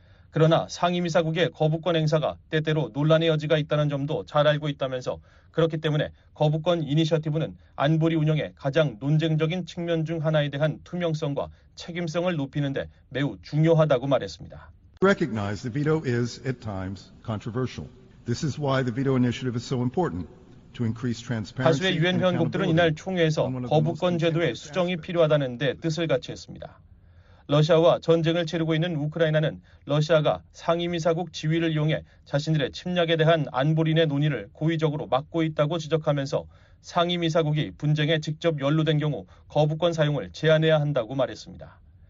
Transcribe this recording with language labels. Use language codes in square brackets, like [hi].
[ko] 그러나 상임이사국의 거부권 행사가 때때로 논란의 여지가 있다는 점도 잘 알고 있다면서 그렇기 때문에 거부권 이니셔티브는 안보리 운영의 가장 논쟁적인 측면 중 하나에 대한 투명성과 책임성을 높이는 데 매우 중요하다고 말했습니다. [en] Recognize the veto is at times controversial. This is why the veto initiative is so important. [ko] 다수의 유엔 회원국들은 이날 총회에서 거부권 제도의 수정이 필요하다는 데 뜻을 같이했습니다. 러시아와 전쟁을 치르고 있는 우크라이나는 러시아가 상임이사국 지위를 이용해 자신들의 침략에 대한 안보리의 논의를 고의적으로 막고 있다고 지적하면서 상임이사국이 분쟁에 직접 연루된 경우 거부권 사용을 제한해야 한다고 말했습니다.